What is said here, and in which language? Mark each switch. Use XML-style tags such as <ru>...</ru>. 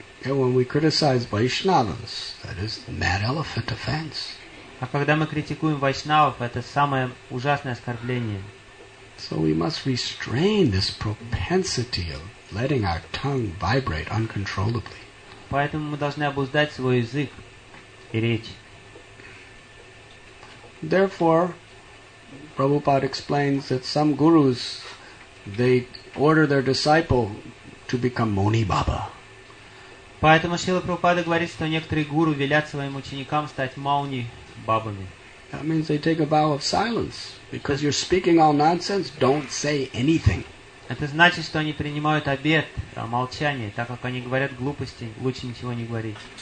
<en>And when we criticize Vaishnavas, that is the mad elephant offense.</en> <ru>А когда мы критикуем вайшнавов, это самое ужасное оскорбление.</ru> <en>So we must restrain this propensity of letting our tongue vibrate uncontrollably.</en> <ru>Поэтому мы должны обуздать свой язык и речь.</ru> <en>Therefore, Prabhupada explains that some gurus, they order their disciple to become Moni Baba.</en> <ru>Поэтому Шрила Прабхупада говорит, что некоторые гуру велят своим ученикам стать Мауни Бабами.</ru> <en>That means they take a vow of silence. Because you're speaking all nonsense, don't say anything.</en> <ru>Это значит, что они принимают обет о молчании, так как они говорят глупости, лучше ничего не говорить.</ru>